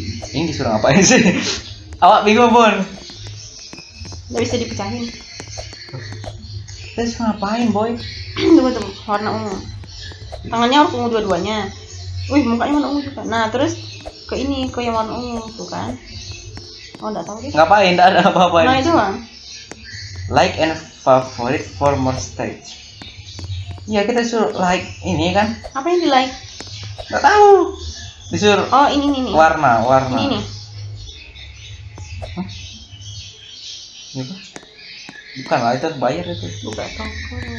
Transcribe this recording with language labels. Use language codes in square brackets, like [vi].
[id] Ini disuruh ngapain sih? Awak bingung pun. Gak bisa dipecahin. Kita disuruh ngapain, boy? Tunggu, warna ungu. Tangannya harus ungu dua-duanya. Wih, mukanya warna ungu juga. Nah, terus ke ini, ke yang warna ungu. Tuh kan. Oh, gak tau deh. Ngapain, gak ada apa-apa. Nah, itu bang. [en] Like and favorite for more stage. [id] Ya, kita disuruh like ini kan. Apa yang di like? Gak tahu. Disuruh. Oh, ini. Warna. Ini. Hah? Ini bukan lah, itu harus bayar itu. Buka toko.